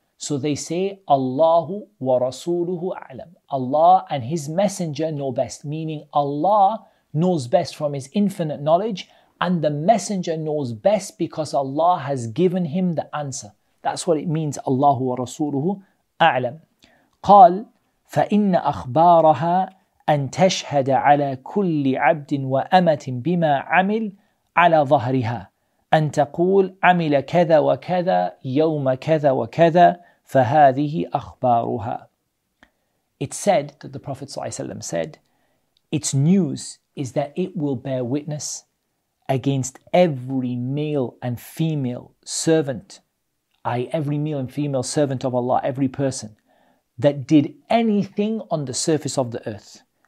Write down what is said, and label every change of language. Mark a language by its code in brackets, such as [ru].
[en] So they say, [ar] Allahu wa Rasuluhu a'lam. [en] Allah and his messenger know best, meaning Allah knows best from his infinite knowledge, and the messenger knows best because Allah has given him the answer. That's what it means, [ar] Allahu wa Rasuluhu a'lam. قال فإن أخبارها أن تشهد على كل عبد وأمة بما عمل على ظهرها أن تقول عمل كذا وكذا يوم كذا وكذا فهذه أخبارها. [en] It said that the Prophet ﷺ said, its news is that it will bear witness against every male and female servant, every male and female servant of Allah, every person that did anything on the surface of the earth.